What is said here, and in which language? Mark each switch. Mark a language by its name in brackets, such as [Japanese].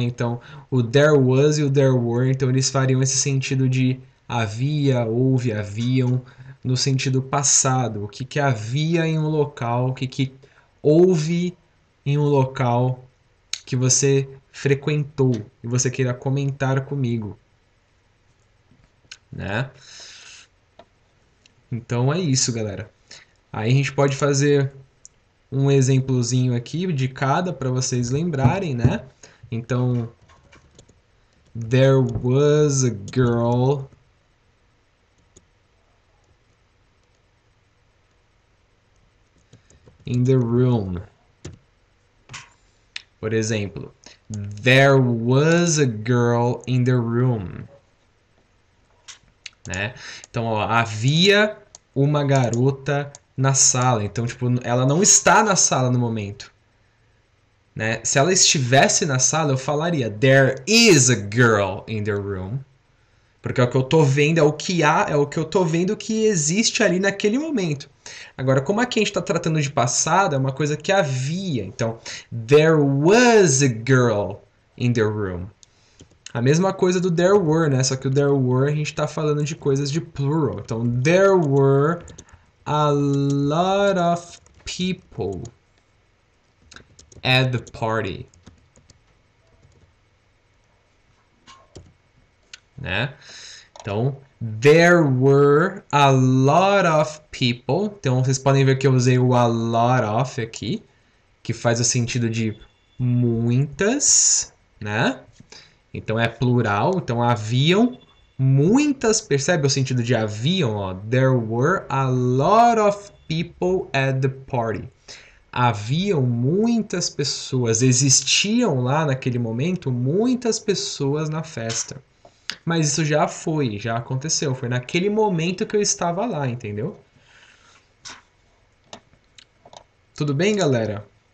[Portuguese] Então, o there was e o there were, então eles fariam esse sentido de havia, houve, haviam, no sentido passado. O que que havia em um local, o que que houve em um local que você frequentou e você queira comentar comigo, né? Então, é isso, galera. Aí a gente pode fazer um exemplozinho aqui de cada para vocês lembrarem, né? Então, there was a girl in the room. Por exemplo, [English] there was a girl in the room. [Portuguese] Né? Então, ó, havia uma garota na sala. Então, tipo, ela não está na sala no momento. Né? Se ela estivesse na sala, eu falaria [English] there is a girl in the room. [Portuguese] Porque o que eu tô vendo é o que há, é o que eu tô vendo que existe ali naquele momento. Agora, como aqui a gente está tratando de passado, é uma coisa que havia. [English] Então, there was a girl in the room. [Portuguese] A mesma coisa do there were, né? Só que o there were a gente está falando de coisas de plural. Então, [English] there were a lot of people at the party. [Portuguese] Né? Então, [English] there were a lot of people. [Portuguese] Então, vocês podem ver que eu usei o a lot of aqui, que faz o sentido de muitas, né? Então é plural. Então haviam muitas, percebe o sentido de haviam, ó? [English] There were a lot of people at the party. [Portuguese] Haviam muitas pessoas, existiam lá naquele momento muitas pessoas na festa. Mas isso já foi, já aconteceu. Foi naquele momento que eu estava lá, entendeu? Tudo bem, galera?